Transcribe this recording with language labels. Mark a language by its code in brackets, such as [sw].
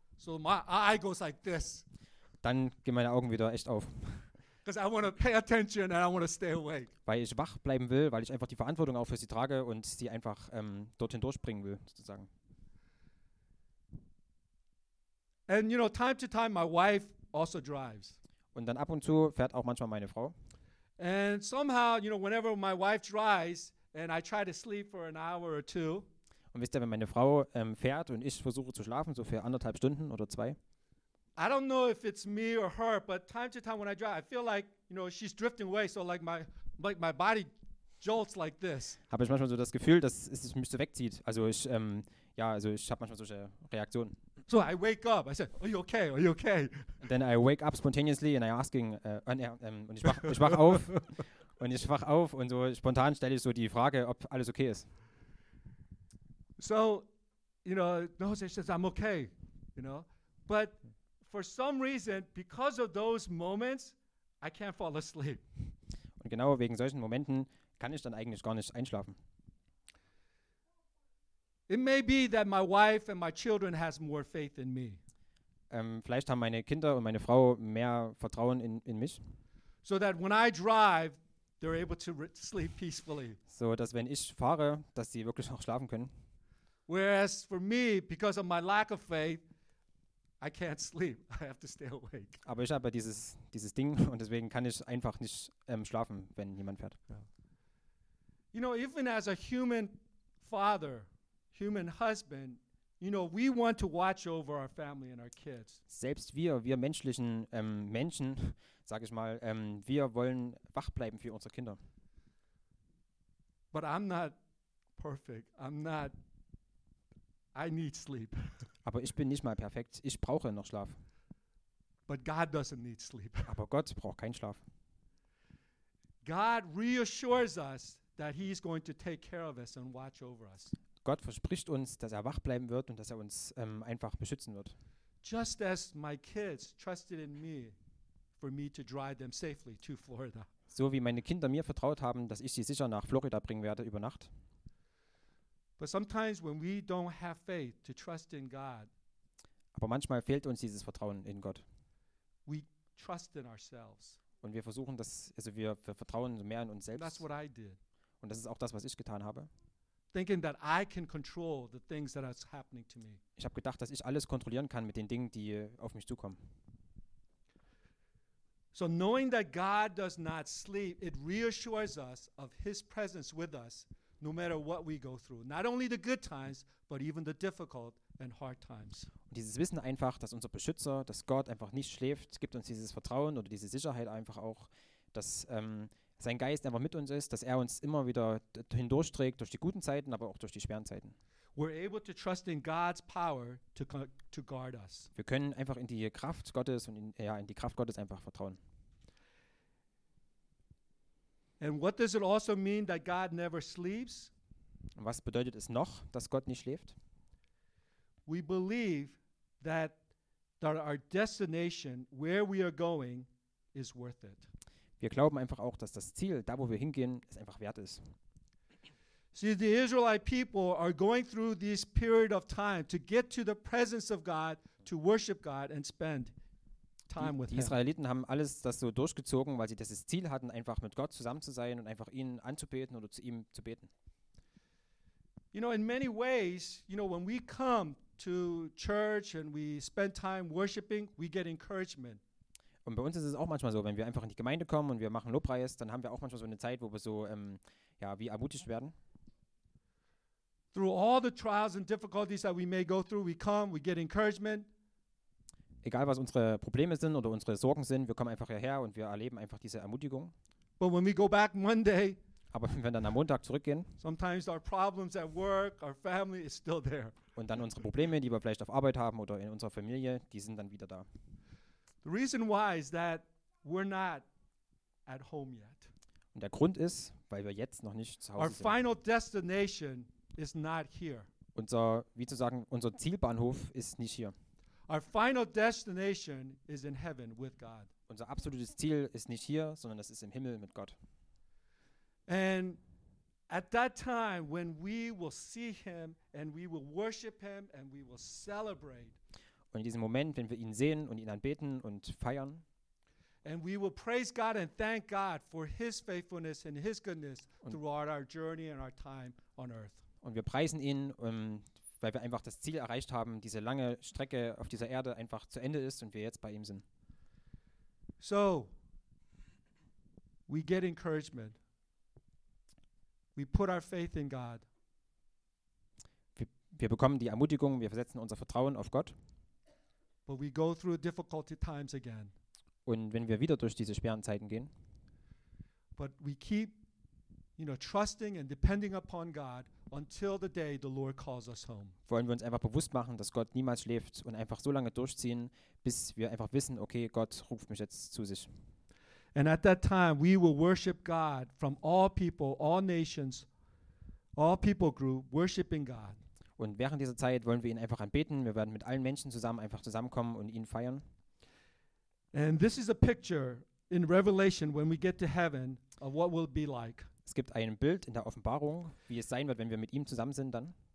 [en] so my eye goes like this. [de] Dann gehen meine Augen wieder echt auf. [en] Because I want to pay attention and I want to stay awake. [de] Weil ich wach bleiben will, weil ich einfach die Verantwortung auch für sie trage und sie einfach dorthin durchbringen will, sozusagen. [en] And you know, time to time my wife also drives. [de] Und dann ab und zu fährt auch manchmal meine Frau. [en] And somehow, you know, whenever my wife drives and I try to sleep for an hour or two. [de] Und wisst ihr, wenn meine Frau fährt und ich versuche zu schlafen, so für anderthalb Stunden oder zwei. [en] I don't know if it's me or her, but time to time when I drive, I feel like, you know, she's drifting away, so like my body jolts like this. [de] Habe ich manchmal so das Gefühl, dass es mich so wegzieht. Also ich, ja, also ich habe manchmal solche Reaktionen. [en] So I wake up, I said, are you okay, are you okay? And then I wake up spontaneously and I asking, [de] und ich wach auf, und ich wach auf und so spontan stelle ich so die Frage, ob alles okay ist. [en] So, you know, no, she says, I'm okay, you know, but for some reason, because of those moments, I can't fall asleep. [de] Und genau wegen solchen Momenten kann ich dann eigentlich gar nicht einschlafen. [en] It may be that my wife and my children has more faith in me. [de] Vielleicht haben meine Kinder und meine Frau mehr Vertrauen in mich. [en] So that when I drive, they're able to sleep peacefully. [de] So dass wenn ich fahre, dass sie wirklich noch schlafen können. [en] Whereas for me, because of my lack of faith, I can't sleep. I have to stay awake. [de] Aber ich habe dieses Ding und deswegen kann ich einfach nicht schlafen, wenn jemand fährt. [en] Yeah. You know, even as a human father, human husband, you know, we want to watch over our family and our kids. [de] Selbst wir menschlichen Menschen, sag ich mal, wir wollen wach bleiben für unsere Kinder. [en] But I'm not perfect. I need sleep. [de] Aber ich bin nicht mal perfekt. Ich brauche noch Schlaf. [en] But God doesn't need sleep. [de] Aber Gott braucht keinen Schlaf. [en] God reassures us that he's going to take care of us and watch over us. [de] Gott verspricht uns, dass er wach bleiben wird und dass er uns einfach beschützen wird. [en] Just as my kids trusted in me for me to drive them safely to Florida. [de] So wie meine Kinder mir vertraut haben, dass ich sie sicher nach Florida bringen werde über Nacht. [en] But sometimes when we don't have faith to trust in God. [de] Aber manchmal fehlt uns dieses Vertrauen in Gott. [en] We trust in ourselves. [de] Und wir versuchen das, also wir vertrauen mehr in uns selbst. [en] That's what I did. [de] Und das ist auch das, was ich getan habe. [en] Thinking that I can control the things that are happening to me. [de] Ich habe gedacht, dass ich alles kontrollieren kann mit den Dingen, die auf mich zukommen. [en] So knowing that God does not sleep, it reassures us of his presence with us no matter what we go through. Not only the good times, but even the difficult and hard times. [de] Und dieses Wissen einfach, dass unser Beschützer, dass Gott einfach nicht schläft, gibt uns dieses Vertrauen oder diese Sicherheit einfach auch, dass sein Geist einfach mit uns ist, dass er uns immer wieder hindurchträgt durch die guten Zeiten, aber auch durch die schweren Zeiten. [en] We're able to trust in God's power to guard us. [de] Wir können einfach in die Kraft Gottes und in die Kraft Gottes einfach vertrauen. [en] And what does it also mean that God never sleeps? [de] Was bedeutet es noch, dass Gott nicht schläft? [en] We believe that our destination, where we are going, is worth it. [de] Wir glauben einfach auch, dass das Ziel, da wo wir hingehen, es einfach wert ist. [en] See, the Israelite people are going through this period of time to get to the presence of God, to worship God and spend time with him. [de] Die Israeliten haben alles das so durchgezogen, weil sie dieses Ziel hatten, einfach mit Gott zusammen zu sein und einfach ihn anzubeten oder zu ihm zu beten. [en] You know, in many ways, you know, when we come to church and we spend time worshiping, we get encouragement. [de] Und bei uns ist es auch manchmal so, wenn wir einfach in die Gemeinde kommen und wir machen Lobpreis, dann haben wir auch manchmal so eine Zeit, wo wir so, wie ermutigt werden. [en] Through all the trials and difficulties that we may go through, we come, we get encouragement. [de] Egal, was unsere Probleme sind oder unsere Sorgen sind, wir kommen einfach hierher und wir erleben einfach diese Ermutigung. [en] But when we go back Monday, [de] aber wenn wir dann am Montag zurückgehen, [en] sometimes our problems at work, our family is still there. [de] Und dann unsere Probleme, die wir vielleicht auf Arbeit haben oder in unserer Familie, die sind dann wieder da. [en] The reason why is that we're not at home yet. [de] Und der Grund ist, weil wir jetzt noch nicht zu Hause [en] our [de] sind. [en] Our final destination is not here. [de] Unser Zielbahnhof ist nicht hier. [en] Our final destination is in heaven with God. [de] Unser absolutes Ziel ist nicht hier, sondern es ist im Himmel mit Gott. [en] And at that time when we will see him and we will worship him and we will celebrate. [de] Und in diesem Moment, wenn wir ihn sehen und ihn anbeten und feiern. [en] And we will praise God and thank God for his faithfulness and his goodness throughout our journey and our time on earth. [de] Und wir preisen ihn, weil wir einfach das Ziel erreicht haben, diese lange Strecke auf dieser Erde einfach zu Ende ist und wir jetzt bei ihm sind. [en] So, we get encouragement. We put our faith in God. [de] Wir bekommen die Ermutigung, wir setzen unser Vertrauen auf Gott. [en] But we go through difficult times again. [de] Und wenn wir wieder durch diese schweren Zeiten gehen, [en] but we keep, you know, trusting and depending upon God until the day the Lord calls us home. [de] Wollen wir uns einfach bewusst machen, dass Gott niemals schläft und einfach so lange durchziehen, bis wir einfach wissen, okay, Gott ruft mich jetzt zu sich. [en] And at that time we will worship God from all people, all nations, all people group worshiping God. [de] Und während dieser Zeit wollen wir ihn einfach anbeten. Wir werden mit allen Menschen zusammen einfach zusammenkommen und ihn feiern. [en] And this is a picture in Revelation when we get to heaven of what will be like. [de] Es gibt ein Bild in der Offenbarung, wie es sein wird, wenn wir mit ihm zusammen sind dann.